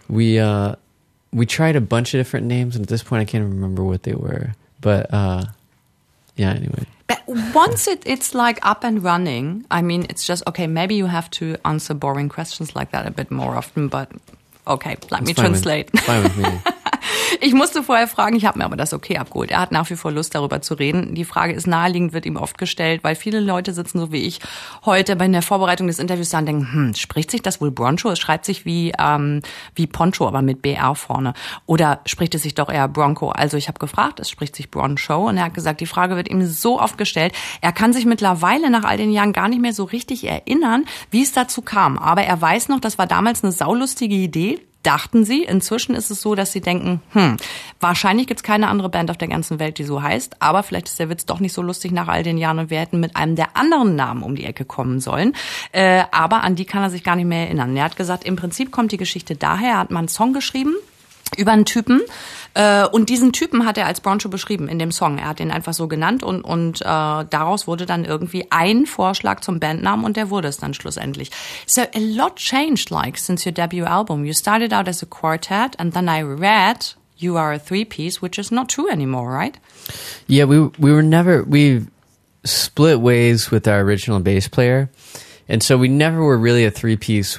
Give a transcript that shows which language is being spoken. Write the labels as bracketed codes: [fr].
[en] We tried a bunch of different names. And at this point, I can't even remember what they were. But yeah, anyway. But once it's like up and running, I mean, it's just, okay, maybe you have to answer boring questions like that a bit more often, but okay, let me translate. Fine with me. [de] Ich musste vorher fragen, ich habe mir aber das okay abgeholt. Er hat nach wie vor Lust, darüber zu reden. Die Frage ist naheliegend, wird ihm oft gestellt, weil viele Leute sitzen so wie ich heute bei der Vorbereitung des Interviews da und denken, spricht sich das wohl Broncho? Es schreibt sich wie Poncho, aber mit BR vorne. Oder spricht es sich doch eher Bronco? Also ich habe gefragt, es spricht sich Broncho. Und er hat gesagt, die Frage wird ihm so oft gestellt. Er kann sich mittlerweile nach all den Jahren gar nicht mehr so richtig erinnern, wie es dazu kam. Aber er weiß noch, das war damals eine saulustige Idee, dachten sie. Inzwischen ist es so, dass sie denken, wahrscheinlich gibt es keine andere Band auf der ganzen Welt, die so heißt. Aber vielleicht ist der Witz doch nicht so lustig nach all den Jahren und wir hätten mit einem der anderen Namen um die Ecke kommen sollen. Aber an die kann er sich gar nicht mehr erinnern. Er hat gesagt, im Prinzip kommt die Geschichte daher, er hat mal einen Song geschrieben über einen Typen. Und diesen Typen hat er als Broncho beschrieben in dem Song. Er hat ihn einfach so genannt und daraus wurde dann irgendwie ein Vorschlag zum Bandnamen und der wurde es dann schlussendlich. [en] So a lot changed like since your debut album. You started out as a quartet and then I read you are a three-piece, which is not true anymore, right? Yeah, we split ways with our original bass player and so we never were really a three-piece.